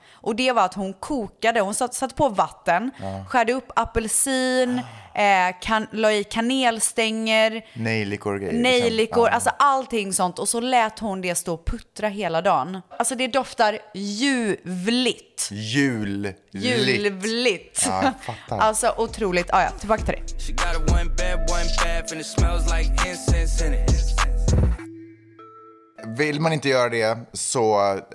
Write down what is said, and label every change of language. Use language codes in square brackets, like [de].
[sv] Och det var att hon kokade, hon satt på vatten, skärde upp apelsin, la i kanelstänger, nejlikor, alltså allting sånt. Och så lät hon det stå och puttra hela dagen. Alltså det doftar ljuvligt. Ljuvligt. Ja, fattar. Alltså otroligt, ja, tillbaka till det. [en] She got a one bed, one bath, and it smells like incense in it. [sv] Vill man inte göra det så